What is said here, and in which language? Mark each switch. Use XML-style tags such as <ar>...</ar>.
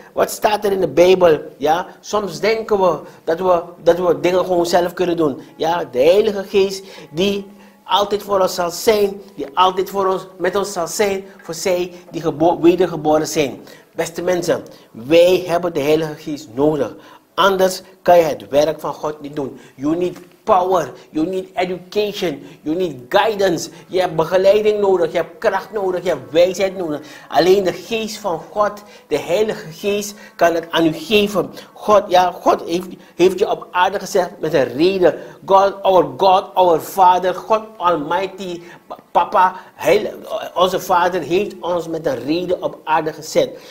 <nl>Wat staat er in de Bijbel? Ja, soms denken we dat we dingen gewoon zelf kunnen doen. Ja, de Heilige Geest die altijd voor ons zal zijn, die altijd voor ons, met ons zal zijn, voor zij die wedergeboren zijn. Beste mensen, wij hebben de Heilige Geest nodig. Anders kan je het werk van God niet doen.</nl> <en>You need power, you need education, you need guidance.</en> <nl>Je hebt begeleiding nodig, je hebt kracht nodig, je hebt wijsheid nodig. Alleen de Geest van God, de Heilige Geest, kan het aan u geven. God, ja, God heeft je op aarde gezet met een reden.</nl> <en>God, our Father, God Almighty,</en> <nl>Papa, onze Vader heeft ons met een reden op aarde gezet.</nl>